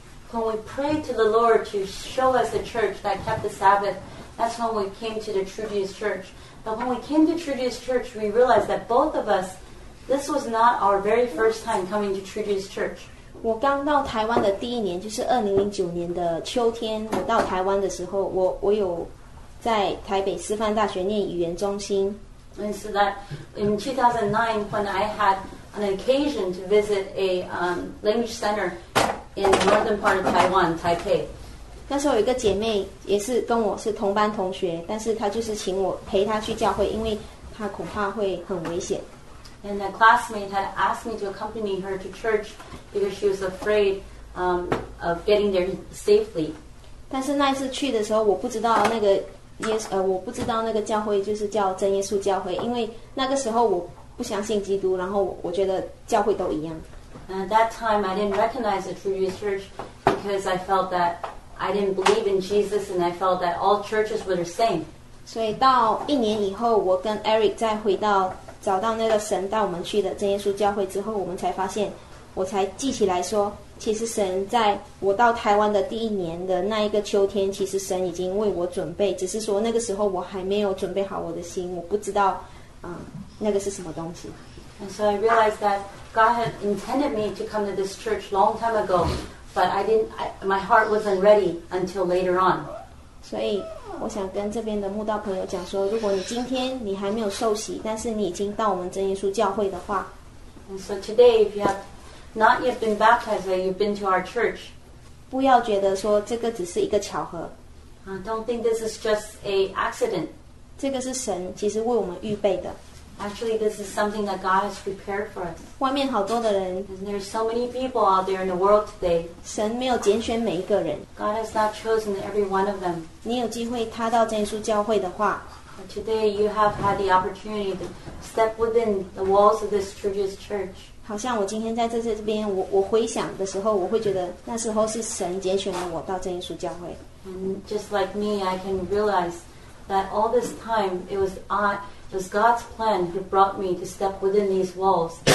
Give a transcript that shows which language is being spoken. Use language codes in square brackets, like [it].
[en] When we prayed to the Lord to show us a church that kept the Sabbath, that's when we came to the True Jesus Church. But when we came to True Jews Church, we realized that both of us, this was not our very first time coming to True Jews Church. [zh] 我刚到台湾的第一年，就是2009年的秋天，我到台湾的时候，我有在台北师范大学念语言中心。 [en] And so that in 2009, when I had an occasion to visit a language center in the northern part of Taiwan, Taipei. [zh] 那时候有一个姐妹也是跟我是同班同学，但是她就是请我陪她去教会，因为她恐怕会很危险。 [en] And a classmate had asked me to accompany her to church because she was afraid of getting there safely. [zh] 但是那一次去的时候，我不知道那个耶稣，我不知道那个教会就是叫真耶稣教会，因为那个时候我不相信基督，然后我觉得教会都一样。 [en] And at that time, I didn't recognize the True Jews Church because I felt that I didn't believe in Jesus, and I felt that all churches were the same. [zh] 所以到一年以后，我跟 Eric 再回到。找到那个神带我们去的真耶稣教会之后，我们才发现，我才记起来说，其实神在我到台湾的第一年的那一个秋天，其实神已经为我准备，只是说那个时候我还没有准备好我的心，我不知道，那个是什么东西。 [en] And so I realized that God had intended me to come to this church long time ago, but my heart wasn't ready until later on. [zh] 所以我想跟这边的慕道朋友讲说，如果你今天你还没有受洗，但是你已经到我们真耶稣教会的话， [en] And so today if you have not yet been baptized, but you've been to our church, [zh] 不要觉得说这个只是一个巧合。 [en] Don't think this is just a accident. [zh] 这个是神其实为我们预备的。 [en] Actually, this is something that God has prepared for us. [zh] 外面好多的人。 [en] And there are so many people out there in the world today. [zh] 神没有拣选每一个人。 [en] God has not chosen every one of them. [zh] 你有机会踏到真耶稣教会的话。 [en] Today, you have had the opportunity to step within the walls of this True Jews Church. [zh] 好像我今天在这边，我回想的时候，我会觉得那时候是神拣选了我到真耶稣教会。 [en] And just like me, I can realize that all this time, It was God's plan who brought me to step within these walls.